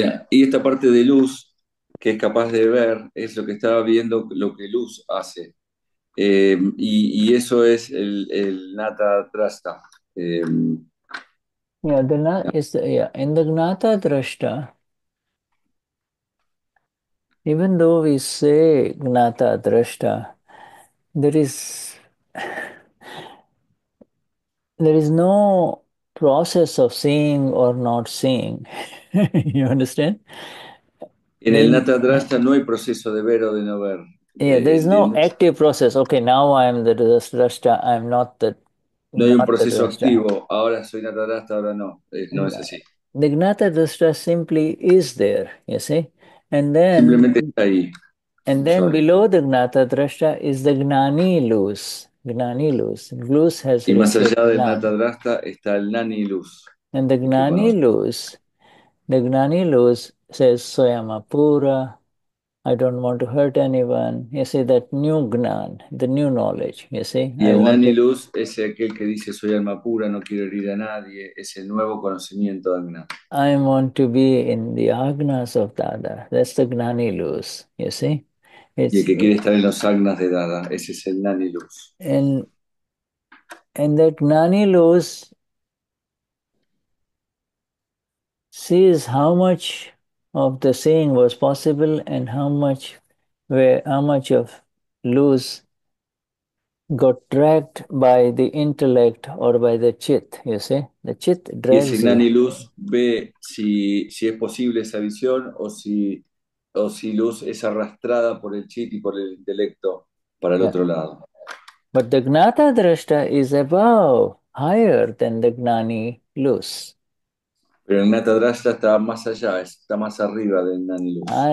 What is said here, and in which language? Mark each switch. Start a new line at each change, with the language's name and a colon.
Spanish: Y esta parte de Luz, que es capaz de ver, es lo que estaba viendo, lo que Luz hace. Y eso es el Gnata-Drashta.
English: In the Gnata-Drashta, even though we say Gnata-Drashta, there is no process of seeing or not seeing. You understand?
Spanish: En el Gnata-Drashta no hay proceso de ver o de no ver.
English: Yeah, there is no active process. Okay, now I'm the Drashta, I'm not the.
Spanish: No hay un proceso activo. Ahora soy Gnata Drashta, ahora no. No es así.
English: The Gnata Drashta simply is there, you see? And then.
Spanish: Simplemente está ahí.
English: And then below the Gnata Drashta is the Gnani Luz. Gnani Luz. Luz has.
Spanish: Y más allá del Gnata Drashta está el Gnani Luz.
English: And the Gnani Luz. The Gnani Luz says,
Spanish: soy Amapura.
English: I don't want to hurt anyone. You see, that new gnan, the new knowledge, you see.
Spanish: Y el Gnani Luz es aquel que dice, soy alma pura, no quiero herir a nadie. Es el nuevo conocimiento de Agna.
English: I want to be in the agnas of Dada. That's the Gnani Luz, you see.
Spanish: It's, y el que quiere estar en los agnas de Dada, ese es el Gnani Luz.
English: And that Gnani Luz sees how much of the seeing was possible and how much of Luz got dragged by the intellect or by the chit, you see? The chit drags.
Spanish: Y ese Gnani Luz ve si es posible esa visión o si Luz es arrastrada por el chit y por el intelecto para el otro lado.
English: But the Gnata Drashta is above, higher than the Gnani Luz.
Spanish: Pero Gnata-Drashta está más allá, está más arriba de Gnani Luz.